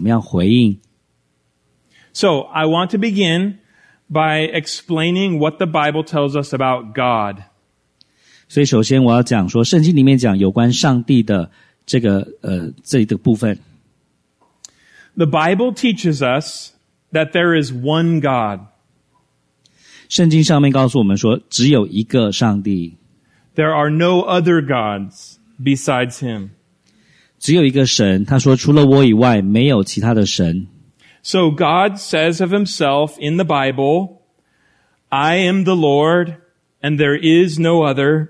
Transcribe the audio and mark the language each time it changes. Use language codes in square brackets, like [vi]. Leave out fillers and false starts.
[zh] 第四的部分就是让我们知道说，我们听了这些讯息之后，我们要怎么样回应。 [en] So, I want to begin by explaining what the Bible tells us about God. [zh] 所以首先我要讲说，圣经里面讲有关上帝的这个部分。 [en] The Bible teaches us that there is one God. [zh] 圣经上面告诉我们说，只有一个上帝。 [en] There are no other gods. Besides him. [zh] 只有一个神，他说除了我以外，没有其他的神。 [en] So God says of himself in the Bible, I am the Lord, and there is no other.